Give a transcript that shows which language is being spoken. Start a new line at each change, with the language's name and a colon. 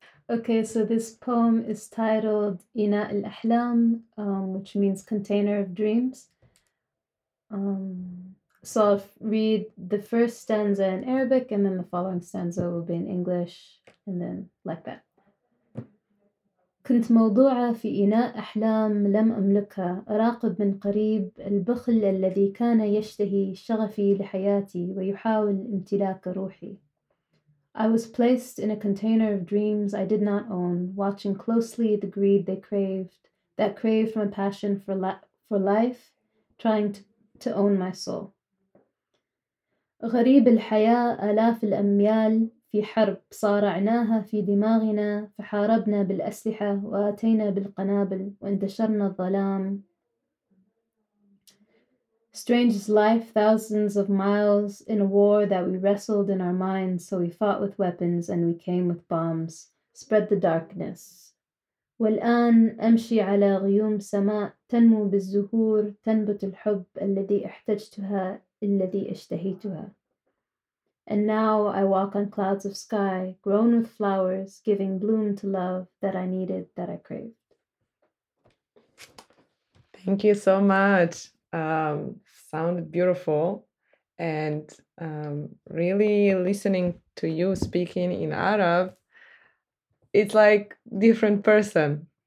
English: Okay, so this poem is titled Ina al-Ahlam, which means container of dreams. So I'll read the first stanza in Arabic, and then the following stanza will be in English, and then like that.
Arabic: كنت موضوعة في إناء أحلام لم أملكها أراقب من قريب البخل الذي كان يشتهي شغفي لحياتي ويحاول امتلاك روحي.
English: I was placed in a container of dreams I did not own, watching closely the greed they craved, that craved my passion for life, trying to own my soul.
Arabic: غريب الحياة آلاف الأميال في حرب صارعناها في دماغنا فحاربنا بالأسلحة وآتينا بالقنابل وانتشرنا الظلام.
English: Strange is life, thousands of miles in a war that we wrestled in our minds, so we fought with weapons and we came with bombs, spread the darkness.
Arabic: والآن أمشي على غيوم سماء تنمو بالزهور تنبت الحب الذي احتجتها الذي اشتهيتها.
English: And now I walk on clouds of sky, grown with flowers, giving bloom to love that I needed, that I craved. Thank you so much. Sounded beautiful, and really listening to you speaking in Arab, it's like different person.